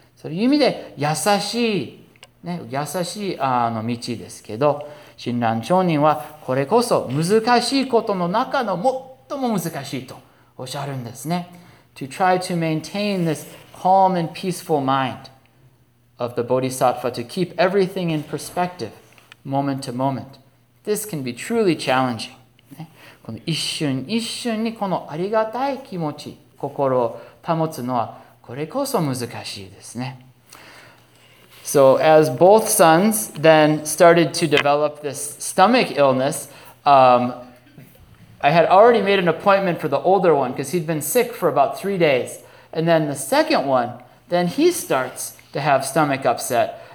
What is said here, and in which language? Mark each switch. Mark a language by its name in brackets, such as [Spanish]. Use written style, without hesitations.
[Japanese] そういう意味で優しい、ね、優しいあの道ですけど、親鸞聖人はこれこそ難しいことの中の最も難しいとおっしゃるんですね。 [English] To try to maintain this calm and peaceful mind of the Bodhisattva, to keep everything in perspective, moment to moment. This can be truly challenging. [Japanese] この一瞬一瞬にこのありがたい気持ち、心を保つのはこれこそ難しいですね。 [English] So as both sons then started to develop this stomach illness, I had already made an appointment for the older one because he'd been sick for about 3 days. And then the second one, then he starts to have stomach upset.